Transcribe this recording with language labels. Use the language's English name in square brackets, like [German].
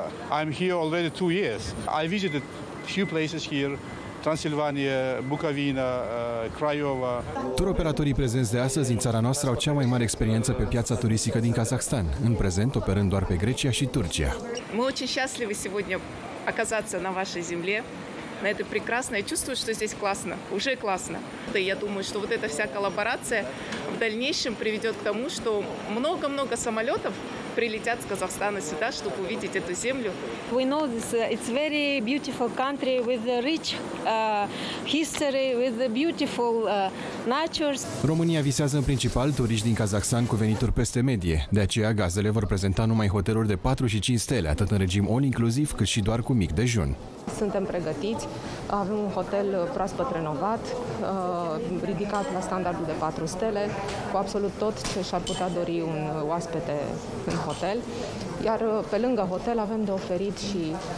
[English] I'm here already 2 years. I visited few places here. Transilvania, Bucovina, Craiova. [Romanian] Tur operatorii prezenți de astăzi în țara noastră au cea mai mare experiență pe piața turistică din Kazahstan, în prezent operând doar pe Grecia și Turcia. [Russian] Mulți șasli сегодня оказаться на вашей земле. На это прекрасно. Я чувствую, что здесь классно, уже классно. И я думаю, что вот эта вся коллаборация в дальнейшем приведет к тому, что много-много самолетов прилетят с Казахстана сюда, чтобы увидеть эту землю. [English] We know this. It's very beautiful country with a rich history, with a beautiful nature. [Romanian] România visează în principal turiști din Kazahstan cu venituri peste medie. De aceea, gazdele vor prezenta numai hoteluri de 4 și 5 stele, atât în regim all-inclusiv, cât și doar cu mic dejun. Suntem pregătiți, avem un hotel proaspăt renovat, ridicat la standardul de 4 stele, cu absolut tot ce și-ar putea dori un oaspete în hotel. Iar pe lângă hotel avem de oferit și